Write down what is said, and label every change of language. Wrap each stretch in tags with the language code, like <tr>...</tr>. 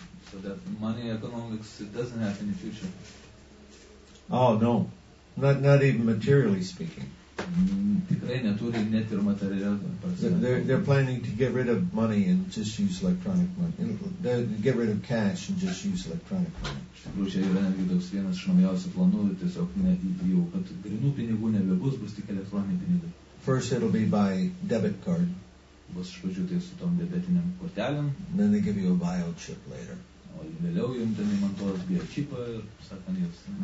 <en>So that money economics doesn't happen in the future. Oh no. Not even materially speaking.</en> <lt>Tikrai neturi net ir materialų.</lt> <en>They're planning to get rid of money and just use electronic money. Get rid of cash and just use electronic money.</en> <lt>Yra netgi toks vienas iš naujausių planų, tiesiog jau kad grynų pinigų nebebus, bus tik elektroniniai pinigai.</lt> <en>First it'll be by debit card.</en> <lt>Bus iš pradžių tai su tom debetiniam kortelėm.</lt> <en>Then they give you a biochip later.</en> <lt>O vėliau jum ten įmantuos biochipą ir sakant jūs.</lt>